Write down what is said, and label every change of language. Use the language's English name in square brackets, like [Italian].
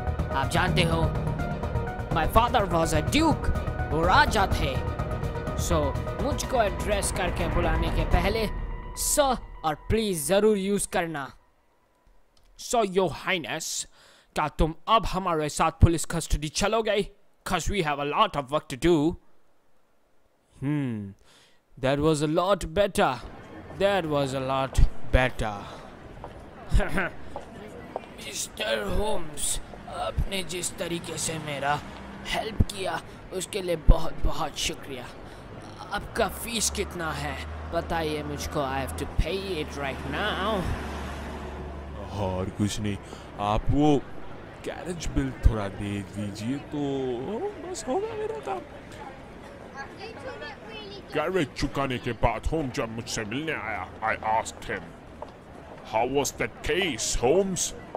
[Hindi] आप जानते हो, [English] my father was a duke, [Hindi] वो राजा थे. So मुझको address करके बुलाने के पहले sir और please जरूर use करना. [English] So your highness, [Hindi] क्या तुम अब हमारे साथ police custody चलोगे? [English] 'Cause we have a lot of work to do. That was a lot better. That was a lot better. Mr. [Hindi] Holmes, आपने जिस तरीके से मेरा हेल्प किया उसके लिए बहुत बहुत शुक्रिया. आपका फीस कितना है बताइए मुझको. [English] I have to pay it right now. [Hindi] और कुछ नहीं, आप वो कैरेज बिल थोड़ा दे दीजिए तो बस होगा मेरा काम. गैरेज चुकाने के बाद होम जब मुझसे मिलने आया, [English] I asked him, How was that case, [Hindi] Holmes?